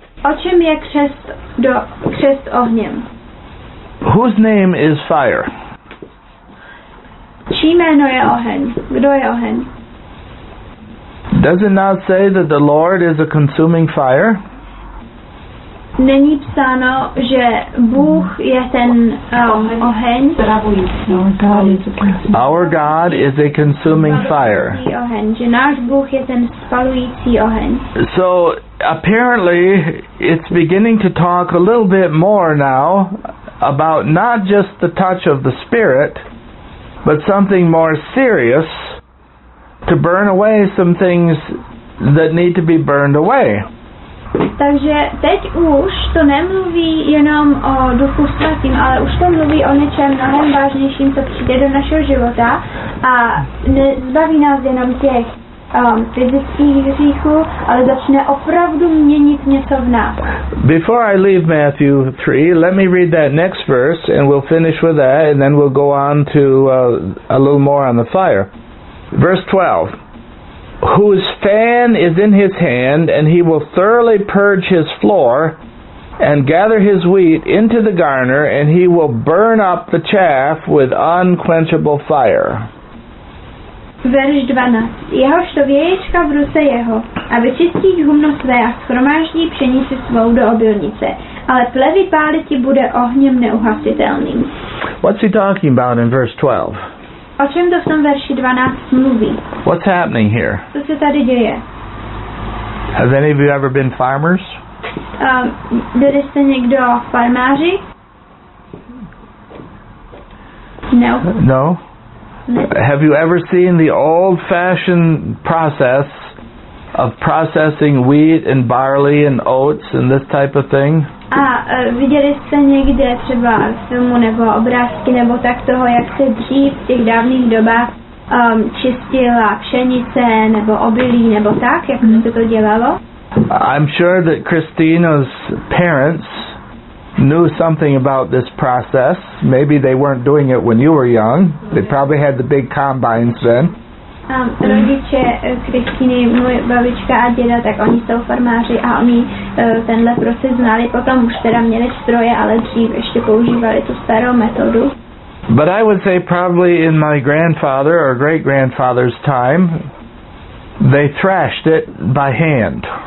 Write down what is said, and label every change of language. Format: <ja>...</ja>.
<en>Whose name is fire?</en> <cs>Čí jméno je oheň? Kdo je oheň?</cs> <en>Does it not say that the Lord is a consuming fire?</en> <cs>Není psáno, že Bůh je ten oheň?</cs> <en>Our God is a consuming fire.</en> <cs>Oheň, že náš Bůh je ten spalující oheň.</cs> <en>So, apparently, it's beginning to talk a little bit more now about not just the touch of the Spirit, but something more serious, to burn away some things that need to be burned away.</en> <cs>Takže teď už to nemluví jenom o Duchu Svatým, ale už to mluví o něčem mnohem vážnějším, co přijde do našeho života a nezbaví nás jenom těch fyzických hříchů, ale začne opravdu měnit něco v nás.</cs> <en>Before I leave Matthew 3, let me read that next verse and we'll finish with that and then we'll go on to a little more on the fire. Verse 12. Whose fan is in his hand and he will thoroughly purge his floor and gather his wheat into the garner and he will burn up the chaff with unquenchable fire.</en> <cs>Verš 12. Jehož to věječka v ruce jeho, a vyčistí humno své a schromáždí pšenici svou do obilnice. Ale plevy páliti bude ohněm neuhasitelným.</cs> <en>What's he talking about in verse 12?</en> <cs>O čem to v tom verši 12 mluví?</cs> <en>What's happening here?</en> <cs>Co se tady děje?</cs> <en>Have any of you ever been farmers?</en> <cs>Byli jste někdo farmáři? No. No.</cs> <en>Have you ever seen the old-fashioned process of processing wheat and barley and oats and this type of thing?</en> <cs>Viděli jste někde třeba filmu nebo obrázky nebo tak toho, jak se dřív v těch dávných dobách čistila pšenice nebo obilí nebo tak, jak se to dělalo?</cs> <en>I'm sure that Christina's parents knew something about this process. Maybe they weren't doing it when you were young. They probably had the big combines then.</en> <cs>Rodiče Kristýny, moje babička a děda, tak oni jsou farmáři a oni tenhle proces znali. Potom už teda měli stroje, ale dřív ještě používali tu starou metodu.</cs> <en>But I would say probably in my grandfather or great-grandfather's time, they thrashed it by hand.</en>